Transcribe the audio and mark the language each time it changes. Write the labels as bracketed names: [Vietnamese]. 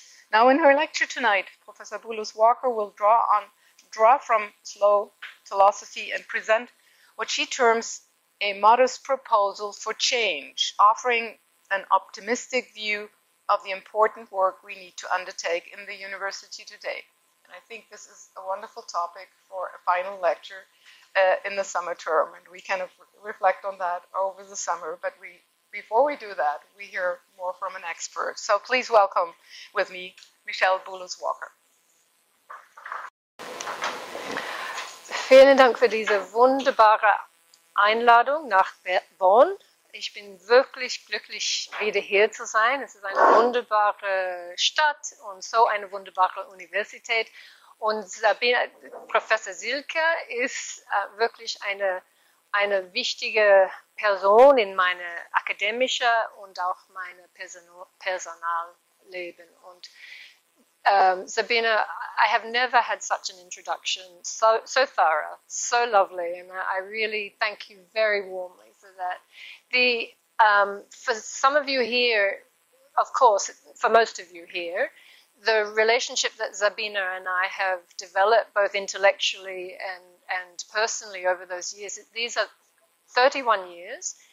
[English] Now, in her lecture tonight, Professor Boulous-Walker will draw from Slow Philosophy and present what she terms a modest proposal for change, offering an optimistic view of the important work we need to undertake in the university today. And I think this is a wonderful topic for a final lecture in the summer term, and we kind of reflect on that over the summer. But before we do that, we hear more from an expert. So please welcome with me Michelle Boulous-Walker. [German] Vielen Dank für diese wunderbare Einladung nach Bonn. Ich bin wirklich glücklich, wieder hier zu sein. Es ist eine wunderbare Stadt und so eine wunderbare Universität. Und Sabine, Professor Silke ist wirklich eine wichtige Person in meinem akademischen und auch meinem Personalleben. [English] Und Sabine, I have never had such an introduction, so thorough, so lovely, and I really thank you very warmly for that. For some of you here, of course, for most of you here, the relationship that Sabine and I have developed, both intellectually and personally over those years, these are 31 years.